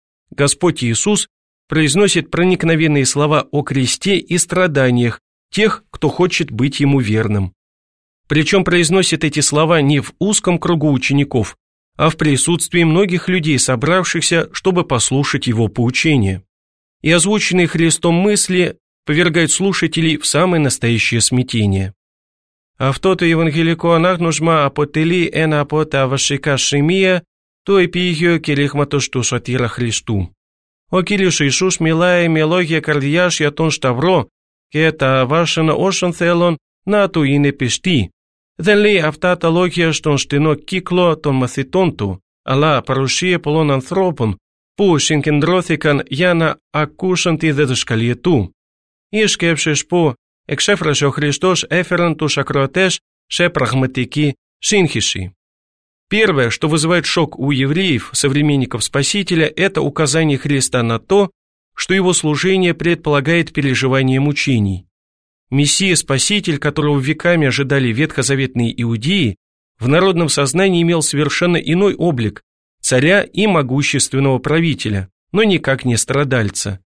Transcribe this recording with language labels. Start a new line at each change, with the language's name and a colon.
Russian: Господь Иисус произносит проникновенные слова о кресте и страданиях тех, кто хочет быть Ему верным. Причем произносит эти слова не в узком кругу учеников, а в присутствии многих людей, собравшихся, чтобы послушать Его поучение. И озвученные Христом мысли повергают слушателей в самое настоящее смятение.
Greek: Αυτότο ευαγγελικό ανάγνωσμα αποτελεί ένα από τα βασικά σημεία του επίγειου κηρύγματος του Σωτήρα Χριστού. Ο Κύριος Ιησούς μιλάει με λόγια καρδιάς για τον Σταυρό και τα βάσανα όσων θέλουν να του είναι πιστοί. Δεν λέει αυτά τα λόγια στον στενό κύκλο των μαθητών του, αλλά παρουσία πολλών ανθρώπων, που συγκεντρώθηκαν για να ακούσουν τη διδασκαλία του. Οι σκέψεις που εξέφρασε ο Χριστός έφεραν τους ακροατές σε πραγματική σύγχυση.
Russian: Первое, что вызывает шок у евреев, современников Спасителя, это указание Христа на то, что его служение предполагает переживание мучений. Мессия-Спаситель, которого веками ожидали ветхозаветные иудеи, в народном сознании имел совершенно иной облик – царя и могущественного правителя, но никак не страдальца.